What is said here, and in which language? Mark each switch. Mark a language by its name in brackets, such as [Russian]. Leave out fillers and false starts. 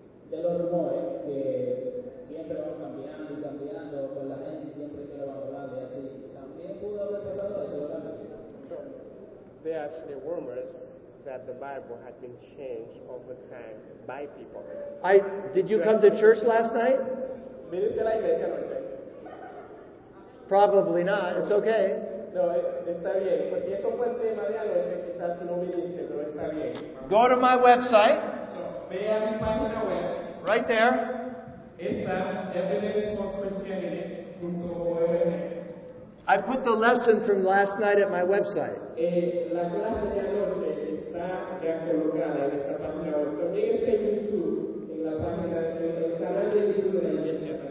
[Spanish] De los rumores que siempre van cambiando y cambiando con la gente y siempre quiero hablar de así, también pudo haber pasado eso. [English] So, there are actually rumors that the Bible had been changed over time by people. Did you come to church last night? [Spanish] ¿Viniste a la iglesia anoche? [English] Probably not. It's okay. [Spanish] No, está bien. Porque eso fue el tema de algo que quizás no viniste, pero está bien. [English] Go to my website. [Spanish] Vea mi página web. [English] Right there. [Spanish] Esta, evidenceforchristianity.org. [English] I put the lesson from last night at my website. [Spanish] La clase de anoche está ya colocada en esta página web. También está en YouTube, en la página del canal de YouTube de la iglesia.